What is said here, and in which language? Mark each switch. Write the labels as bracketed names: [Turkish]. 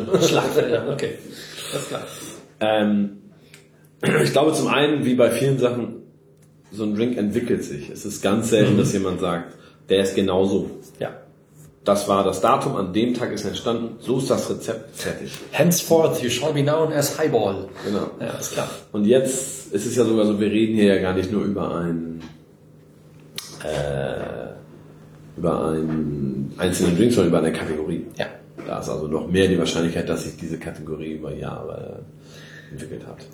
[German] Also, Schlagfeld, okay. Das klar. Ich glaube zum einen, wie bei vielen Sachen, so ein Drink entwickelt sich. Es ist ganz selten, dass jemand sagt, der ist genau so. Ja. Das war das Datum, an dem Tag ist entstanden. So ist das Rezept fertig. [English] Henceforth, you shall be known as Highball. [German] Genau. Ja, ist klar. Und jetzt, es ist ja sogar so, wir reden hier ja gar nicht nur über einen einzelnen Drink, sondern über eine Kategorie. Ja. Da ist also noch mehr die Wahrscheinlichkeit, dass sich diese Kategorie über Jahre entwickelt hat.